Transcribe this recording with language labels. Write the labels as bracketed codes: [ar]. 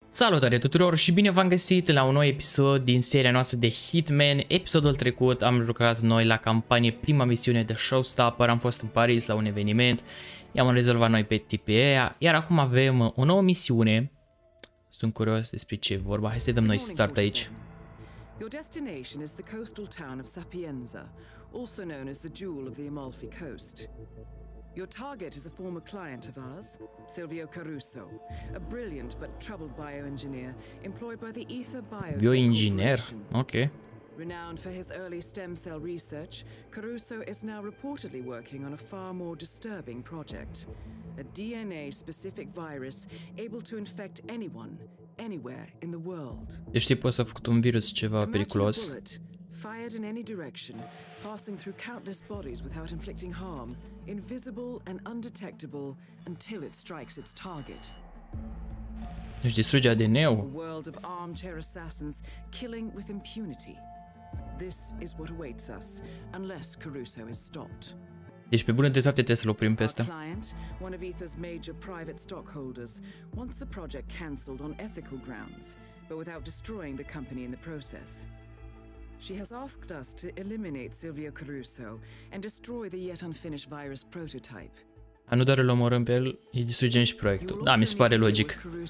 [ro] Salutare tuturor și bine v-am găsit la un nou episod din seria noastră de Hitman. Episodul trecut am jucat noi la campanie prima misiune de Showstopper, am fost în Paris la un eveniment, i-am rezolvat noi pe TPA, iar acum avem o nouă misiune. Sunt curios despre ce e vorba, hai să dăm noi start aici. [en] Your destination is the coastal town of Sapienza, also known as the jewel of the Amalfi Coast. Your target is a former client of ours, Silvio Caruso, a brilliant but troubled bioengineer employed by the Ether Biotech Bioengineer. Okay. Renowned for his early stem cell research, Caruso is now reportedly working on a far more disturbing project, a DNA specific virus able to infect anyone, anywhere in the world. [ro] Deci poți să fac un virus ceva periculos. [en] Fired in any direction, passing through countless bodies without inflicting harm, invisible and undetectable until it strikes its target. [ro] Își distruge ADN-ul. [en] A world of armchair assassins killing with impunity. This is what awaits us unless Caruso is stopped. [ro] Deci pe bună dreptate trebuie să-l oprim pe ăsta. [en] Our client, one of Ether's major private stockholders, wants the project cancelled on ethical grounds, but without destroying the company in the process. She has asked us to eliminate Silvio Caruso and destroy the yet unfinished virus prototype. [ro] A nu doar îl omorâm pe el, îi distrugem și proiectul. Da, mi se pare logic.